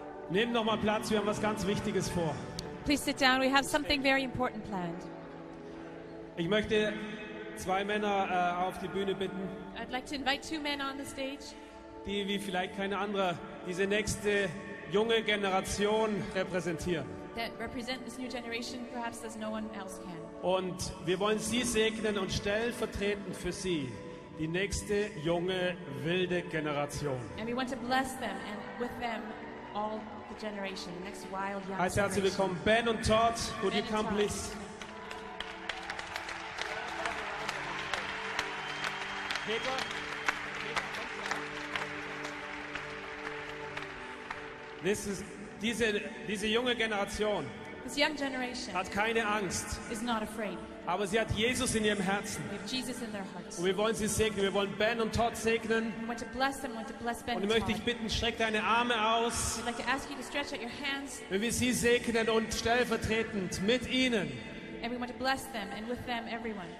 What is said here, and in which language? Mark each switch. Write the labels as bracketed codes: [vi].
[de] Nehmt noch mal Platz, wir haben was ganz Wichtiges vor. [en] Please sit down, we have something very important planned. [de] Ich möchte zwei Männer auf die Bühne bitten. [en] I'd like to invite two men on the stage. [de] Die wie vielleicht keine andere diese nächste junge Generation repräsentieren. [en] That represent this new generation perhaps as no one else can. [de] Und wir wollen sie segnen und stellvertretend für sie die nächste junge wilde Generation. [en] And we want to bless them and with them all the generation, the next wild young generation. [de] Herzlich willkommen, Ben und Todd. [en] Would you come, please? [de] Peter. [en] This is [de] diese junge Generation. [en] This young generation [de] hat keine Angst. [en] Is not afraid. [de] Aber sie hat Jesus in ihrem Herzen. [en] They have Jesus in their hearts. [de] Und wir wollen sie segnen. Wir wollen Ben und Todd segnen. [en] We want to bless them. We want to bless Ben. [de] Und ich möchte dich bitten, streck deine Arme aus. [en] We'd like to ask you to stretch out your hands. [de] Wenn wir sie segnen und stellvertretend mit ihnen. [en] And we want to bless them and with them everyone.